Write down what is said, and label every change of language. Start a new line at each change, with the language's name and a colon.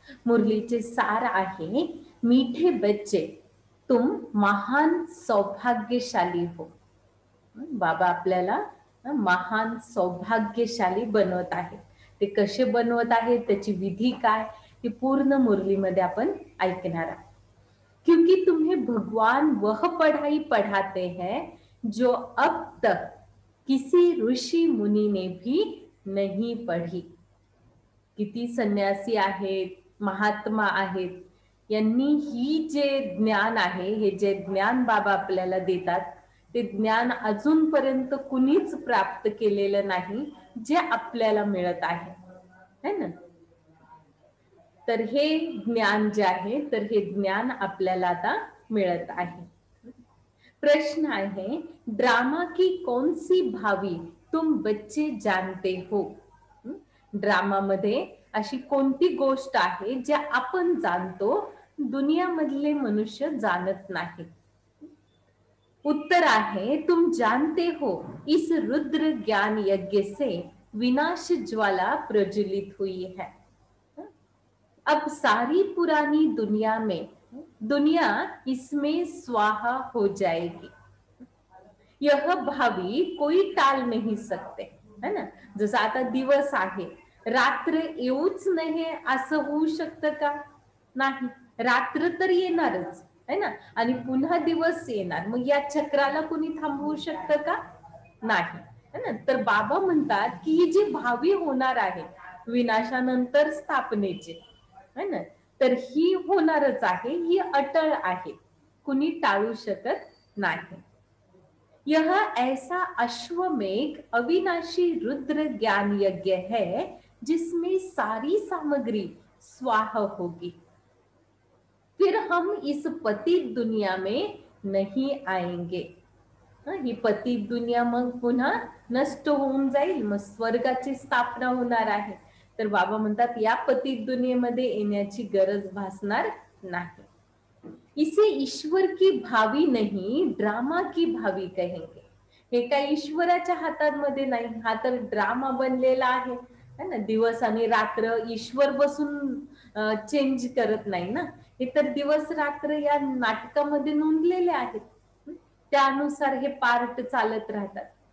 Marathi: मुरलीचे सार आहे,
Hindi: मीठे बच्चे तुम महान सौभाग्यशाली हो.
Marathi: बाबा आपल्याला महान सौभाग्यशाली बनवत आहेत. ते कसे बनवत आहेत, त्याची विधी काय, ती पूर्ण मुरलीमध्ये आपण ऐकणार आहोत.
Hindi: क्योंकि तुम्हें भगवान वह पढ़ाई पढ़ाते हैं जो अब तक किसी ऋषि मुनि ने भी नहीं पढ़ी.
Marathi: किती संन्यासी आहेत, महात्मा आहेत, यांनी ही जे ज्ञान आहे, हे जे ज्ञान बाबा आपल्याला देतात, ते ज्ञान अजूनपर्यंत कुणीच प्राप्त केलेलं नाही, जे आपल्याला मिळत आहे ना. तर हे ज्ञान जे आहे, तर हे ज्ञान आपल्याला आता मिळत आहे. प्रश्न आहे,
Hindi: ड्रामा की कौन सी भावी तुम बच्चे जानते हो.
Marathi: ड्रामा मध्ये अशी कोणती गोष्ट आहे जे आपण जाणतो, दुनिया मधले मनुष्य जाणत नाही. उत्तर आहे,
Hindi: तुम जानते हो इस रुद्र ज्ञान यज्ञ से विनाश ज्वाला प्रज्वलित हुई है. अब सारी पुरानी दुनिया में दुनिया इसमें स्वाहा हो जाएगी. यह भावी कोई टाल नहीं सकते, है ना.
Marathi: जस आता दिवस आहे, रात्र येऊच नाही असं होऊ शकतं का? नाही, रात्र तर येणारच,
Hindi: है ना,
Marathi: आणि पुन्हा दिवस येणार. मग या चक्राला कोणी थांबवू शकतं का? नाही,
Hindi: है ना.
Marathi: तर बाबा म्हणतात की ही जी भावी होणार आहे विनाशानंतर स्थापनेचे,
Hindi: है ना,
Marathi: तर ही होणारच आहे, ही अटळ आहे, कुणी टाळू शकत नाही.
Hindi: यह ऐसा अश्वमेघ अविनाशी रुद्र ज्ञान यज्ञ है जिसमें सारी सामग्री स्वाह होगी. फिर हम इस पतित दुनिया में नहीं आएंगे.
Marathi: ही पतित दुनिया मग पुन्हा नष्ट होऊन जाईल, मग स्वर्गाची स्थापना होणार आहे. तर बाबा म्हणतात या पतित दुनियेमध्ये येण्याची गरज भासणार नाही.
Hindi: इसे ईश्वर की भावी नहीं, ड्रामा की भावी कहेंगे.
Marathi: हे काय ईश्वराच्या हातांमध्ये नाही, हा तर ड्रामा बनलेला आहे,
Hindi: है ना.
Marathi: दिवस आणि रात्र ईश्वर बसून चेंज करत नाही ना, हे तर दिवस रात्र या नाटकामध्ये नोंदलेले आहेत, त्यानुसार हे पार्ट चालत राहतात.